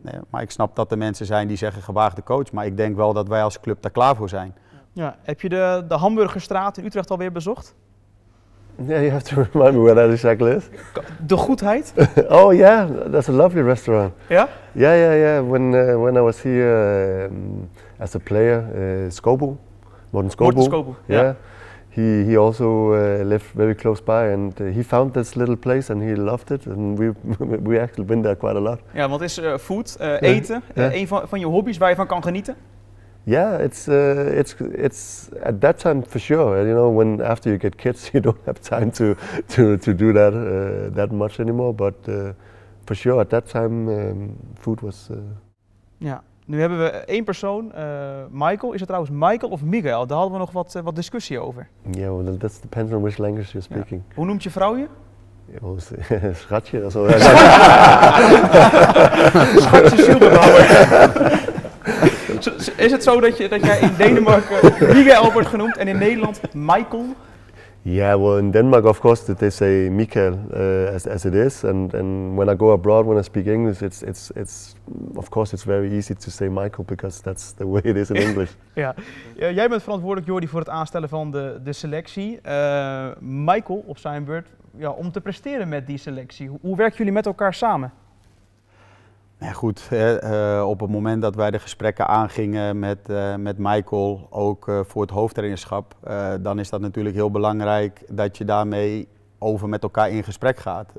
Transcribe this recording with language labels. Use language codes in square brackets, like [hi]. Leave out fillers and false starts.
[nl] Maar ik snap dat er mensen zijn die zeggen gewaagde coach. Maar ik denk wel dat wij als club daar klaar voor zijn. Ja, heb je de Hamburgerstraat in Utrecht alweer bezocht? [en] Yeah, you have to remind me where that exactly is. [nl] De Goedheid? [en] Oh yeah, that's a lovely restaurant. Yeah? Yeah. When I was here as a player, Skobu, Morten Skobu. Morten Skobu, yeah. He also lived very close by and he found this little place and he loved it. And we actually been there quite a lot. [nl] Ja, want is food, eten, een van je hobby's waar je van kan genieten? [en] Yeah, it's at that time for sure. You know, when after you get kids, you don't have time to do that that much anymore. But for sure, at that time, food was. [nl] Ja, nu hebben we 1 persoon, Michael. Is het trouwens Michael of Miguel? Daar hadden we nog wat discussie over. [en] Yeah, well, that depends on which language you're speaking. [nl] Ja. Hoe noemt je vrouw je? Schatje. Schatje Schilderbouwer. Is het zo dat jij in Denemarken Miguel wordt genoemd en in Nederland Michael? [en] Yeah, well, in Denmark of course they say Michael as it is, and when I go abroad, when I speak English, it's of course it's very easy to say Michael because that's the way it is in English. [nl] Ja, jij bent verantwoordelijk, Jordi, voor het aanstellen van de selectie. Michael, op zijn beurt, ja, om te presteren met die selectie. Hoe werken jullie met elkaar samen? Ja, goed, op het moment dat wij de gesprekken aangingen met Michael, ook voor het hoofdtrainerschap, dan is dat natuurlijk heel belangrijk dat je daarmee over met elkaar in gesprek gaat.